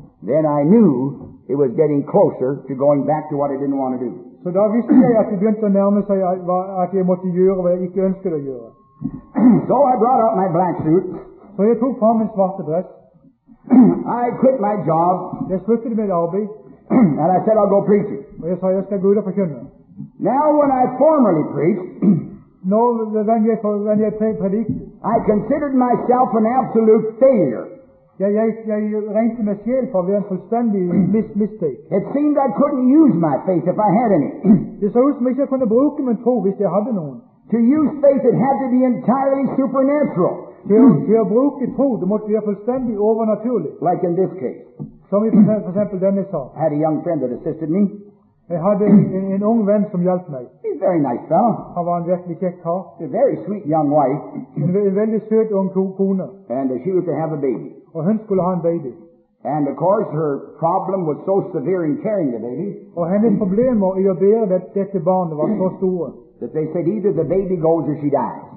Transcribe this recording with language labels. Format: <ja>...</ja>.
<en>Then I knew it was getting closer to going back to what I didn't want to do.</en> <no>Så da visste jeg at jeg begynte å nærme seg at jeg måtte gjøre hva jeg ikke ønsket å gjøre.</no> <en>So I brought out my black suit.</en> <no>Så jeg tok på min svarte dress.</no> <en>I quit my job.</en> <no>Jeg sluttet mitt arbeid.</no> <en>And I said, I'll go preaching.</en> <no>Og jeg sa, jeg skal gå ut og forkynne.</no> <en>Now when I formerly preached,</en> <no>when jeg predikte,</no> <en>I considered myself an absolute failure.</en> <no>Jeg regnte meg selv for å være en fullstendig mistake.</no> <en>It seemed I couldn't use my faith if I had any.</en> <no>Det så ut som jeg kunne bruke min tro hvis jeg hadde noen.</no> <en>To use faith, it had to be entirely supernatural.</en> <no>Til å bruke tro, det måtte være fullstendig overnaturlig.</no> <en>Like in this case.</en> <no>Som i for eksempel denne sa.</no> <en>I had a young friend that assisted me.</en> <no>Jeg hadde en ung venn som hjalp meg.</no> <en>He's a very nice fellow.</en> <no>Han var en virkelig kjekk kar.</no> <en>A very sweet young wife.</en> <no>En veldig søt ung kone.</no> <en>And she was to have a baby.</en> <no>Og hun skulle ha en baby.</no> <en>And of course her problem was so severe in carrying the baby.</en> <no>Og hennes problem i å bære dette barnet var så store.</no> <en>That they said either the baby goes or she dies.</en>